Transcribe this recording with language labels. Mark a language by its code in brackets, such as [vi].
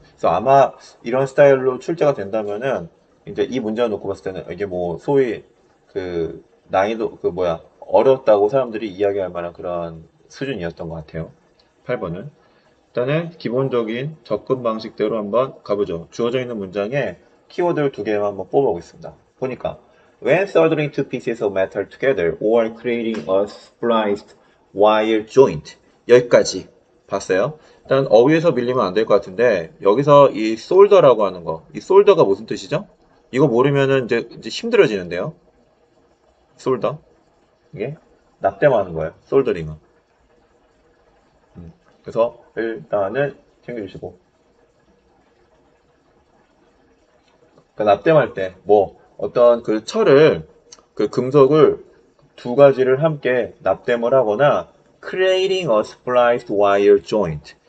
[ko] 그래서 아마 이런 스타일로 출제가 된다면은 이제 이 문제를 놓고 봤을 때는 이게 뭐 소위 그 난이도, 그 뭐야, 어렵다고 사람들이 이야기할 만한 그런 수준이었던 것 같아요. 8번은. 일단은 기본적인 접근 방식대로 한번 가보죠. 주어져 있는 문장에 키워드를 두 개만 한번 뽑아보겠습니다. 보니까 [en] When soldering two pieces of metal together or creating a spliced wire joint. [ko] 여기까지 봤어요. 일단 어휘에서 밀리면 안될것 같은데, 여기서 이 솔더라고 하는 거, 이 솔더가 무슨 뜻이죠? 이거 모르면은 이제 힘들어지는데요. 솔더, 이게 납땜하는 거예요. 솔더링은. 그래서 일단은 챙겨주시고, 그 납땜할 때뭐 어떤 그 철을, 그 금속을 두 가지를 함께 납땜을 하거나 [en] creating a spliced wire joint.